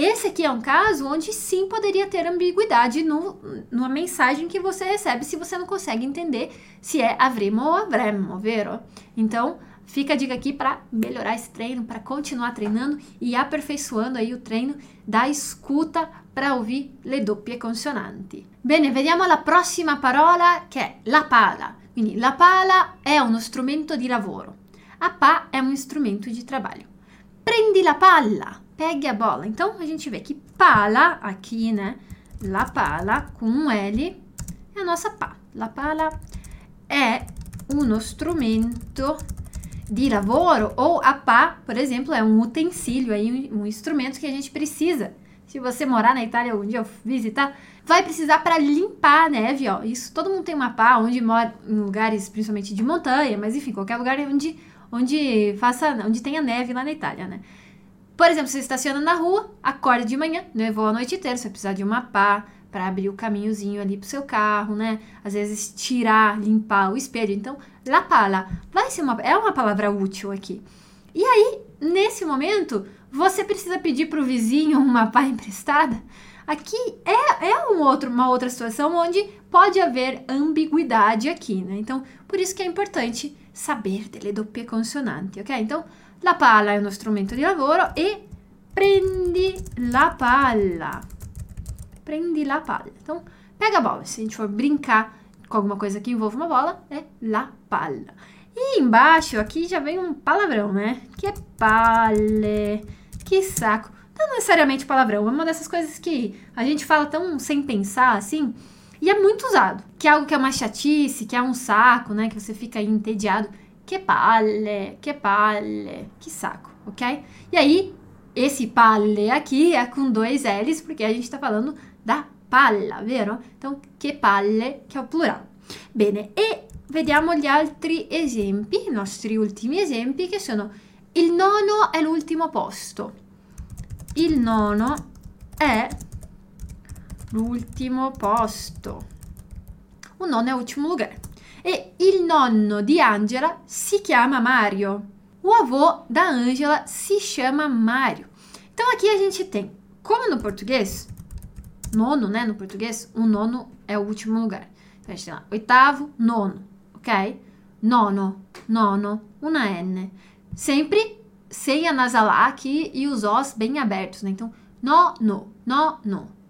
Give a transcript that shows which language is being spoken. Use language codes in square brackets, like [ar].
[pt] Esse aqui é um caso onde sim poderia ter ambiguidade no, numa mensagem que você recebe se você não consegue entender se é avremo ou avremo, vero? Então, fica a dica aqui para melhorar esse treino, para continuar treinando e aperfeiçoando aí o treino da escuta para ouvir le doppie consonanti. [it] Bene, vediamo la prossima parola che è la pala. Quindi, la pala è uno strumento di lavoro. A pa è un strumento di lavoro. Prendi la palla. Pegue a bola. [pt] Então, a gente vê que pala, aqui, né? La pala, com um L, é a nossa pá. La pala é uno strumento de lavoro, ou a pá, por exemplo, é um utensílio aí, um instrumento que a gente precisa. Se você morar na Itália algum dia, visitar, vai precisar para limpar a neve, ó. Isso, todo mundo tem uma pá, onde mora, em lugares principalmente de montanha, mas enfim, qualquer lugar onde tenha neve lá na Itália, né? Por exemplo, você estaciona na rua, acorda de manhã, nevou a noite inteira, você vai precisar de uma pá para abrir o caminhozinho ali pro seu carro, né? Às vezes tirar, limpar o espelho. Então, la pala é uma palavra útil aqui. E aí, nesse momento, você precisa pedir pro vizinho uma pá emprestada? Aqui uma outra situação onde pode haver ambiguidade aqui, né? Então, por isso que é importante saber delle doppie consonanti, ok? [it] Então, la pala è uno strumento di lavoro e prendi la palla. [pt] Prendi la palla. Então, pega a bola. Se a gente for brincar com alguma coisa que envolva uma bola, é la palla. E embaixo aqui já vem um palavrão, né? Que palle. Que saco. Não necessariamente palavrão, é uma dessas coisas que a gente fala tão sem pensar assim, e é muito usado. Que é algo que é uma chatice, que é um saco, né? Que você fica aí entediado. Que palle, que saco, ok? E aí, esse palle aqui é com dois L's, porque a gente tá falando da palla, vero? [it] Então, che palle, che è il plurale. Bene, e vediamo gli altri esempi, i nostri ultimi esempi, che sono il nono è l'ultimo posto. Il nono è l'ultimo posto. Un nono è l'ultimo lugar. E il nonno di Angela si chiama Mario. [pt] O avô da Angela si chiama Mario. Então, aqui a gente tem, como no português, nono, né? No português, o nono é o último lugar. Então, a gente tem lá, oitavo, nono, ok? Nono, nono, una N. Sempre sem anasalar aqui e os Os bem abertos, né? Então, nono, nono.